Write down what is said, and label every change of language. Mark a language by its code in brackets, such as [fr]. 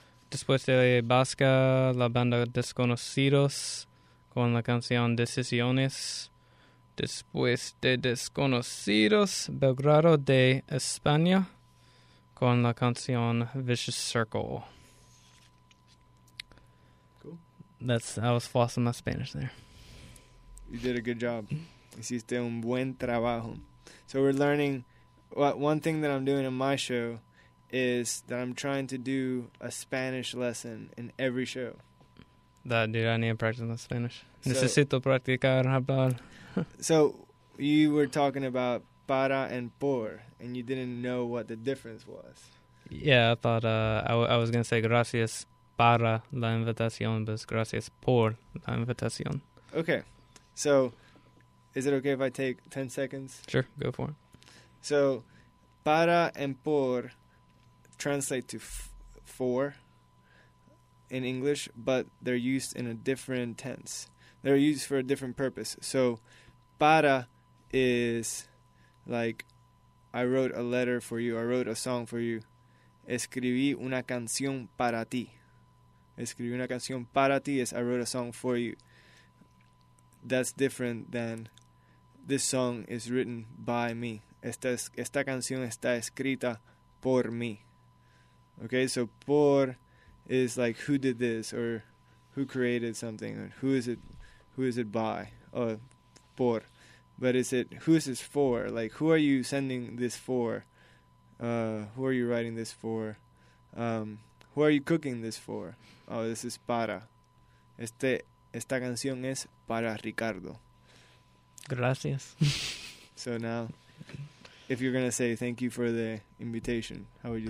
[es] Después de Vasca, la banda Desconocidos con la canción Decisiones. Después de Desconocidos, Belgrado de España con la canción Vicious Circle. [en] Cool. I was flossing my Spanish there. You did a good job. [es] Hiciste un buen trabajo. [en] So we're learning. One thing that I'm doing in my show is that I'm trying to do a Spanish lesson in every show. Dude, I need to practice my Spanish. [es] Necesito practicar hablar. [en] So, you were talking about para and por, and you didn't know what the difference was. Yeah, I thought I was going to say [es] gracias para la invitación, [en] but [es] gracias por la invitación. [en] Okay, so is it okay if I take 10 seconds? Sure, go for it. So, para and por translate to for in English, but they're used in a different tense. They're used for a different purpose. So, para is like, I wrote a letter for you. I wrote a song for you. [es] Escribí una canción para ti. Escribí una canción para ti [en] is I wrote a song for you. That's different than this song is written by me. [es] Esta canción está escrita por mí. [en] Okay, so por is like who did this or who created something or who is it by? Oh, por. But is it who is this for? Like who are you sending this for? Who are you writing this for? Who are you cooking this for? Oh, this is para. [es] Esta canción es para Ricardo. Gracias. [en] So now, if you're going to say thank you for the invitation, how would you